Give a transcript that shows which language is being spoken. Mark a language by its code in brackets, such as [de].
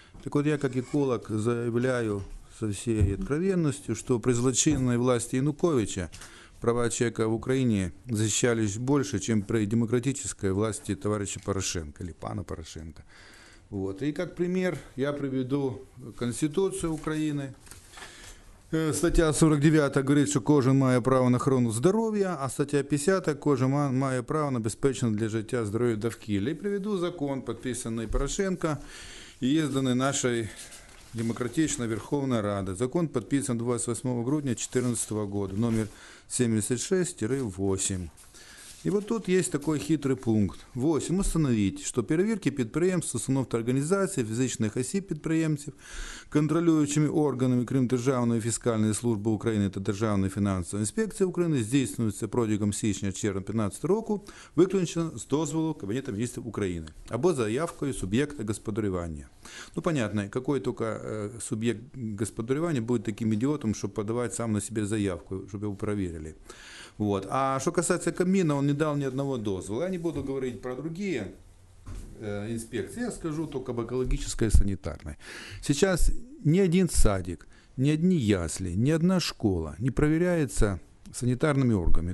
[ru] Так от я, як еколог, заявляю со всей откровенностью, что при злочинной власти Януковича права человека в Украине защищались больше, чем при демократической власти товарища Порошенко или пана Порошенко. Вот. И как пример я приведу Конституцию Украины. Статья 49 говорит, что [uk] кожен має право на охрану здоровья, [ru] а статья 50 – [uk] кожен має право на безпечне для життя здоров'я довкілля. [ru] И приведу закон, подписанный Порошенко и изданный нашей Демократична Верховна Рада. [uk] Закон підписаний 28 грудня 2014 року, номер 76-8. І от тут є такий хитрий пункт. 8. Установити, що перевірки підприємств, установ та організацій, фізичних осіб підприємців, контролюючими органами, крім Державної фіскальної служби України та Державної фінансової інспекції України, здійснюються протягом січня-червня 2015 року, виключно з дозволу Кабінету міністрів України або заявкою суб'єкта господарювання. [ru] Ну, понятно, [uk] який тільки суб'єкт господарювання буде таким ідіотом, щоб подавати сам на себе заявку, щоб його перевірили. [ru] Вот. А что касается камина, он не дал ни одного дозвола. Я не буду говорить про другие инспекции, я скажу только об экологической и санитарной. Сейчас ни один садик, ни одни ясли, ни одна школа не проверяется санитарными органами.